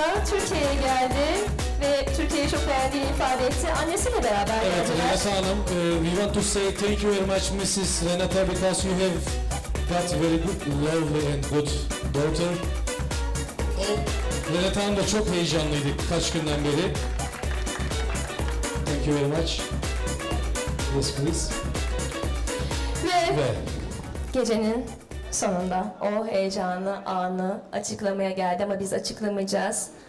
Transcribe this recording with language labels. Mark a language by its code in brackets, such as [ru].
[tr] Türkiye'ye geldi ve Türkiye'yi çok beğendiğini ifade etti. Annesiyle beraber evet, geldiler. Evet, Renata Hanım. [en] We want to say thank you very much Mrs. Renata because you have that very good, lovely and good daughter. Oh. [tr] Renata Hanım da çok heyecanlıydı kaç günden beri. [en] Thank you very much. Yes, please. [tr] Ve gecenin sonunda o heyecanlı anı açıklamaya geldi ama biz açıklamayacağız.